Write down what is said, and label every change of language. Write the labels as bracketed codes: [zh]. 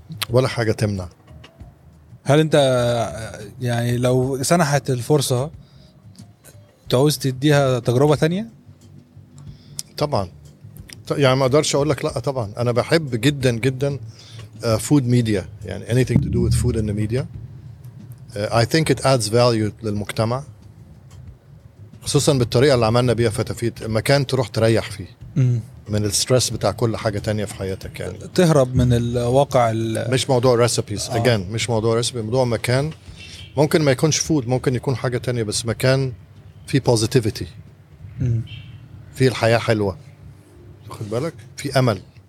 [ar] ولا حاجه تمنع. هل انت يعني لو سنحت الفرصه تعوز تديها تجربة تانية؟ طبعا يعني ما اقدرش اقول لك لا. طبعا انا بحب جدا جدا [en] food media يعني anything to do with food and the media. I think it adds value [ar] للمجتمع خصوصا بالطريقة اللي عملنا بيها فتافيت, مكان تروح تريح فيه من الستريس بتاع كل حاجة تانية في حياتك يعني. تهرب من الواقع مش موضوع [en] recipes again [ar] مش موضوع recipes, موضوع مكان ممكن ما يكونش food ممكن يكون حاجة تانية بس مكان في positivity في الحياة حلوة خد بالك في أمل.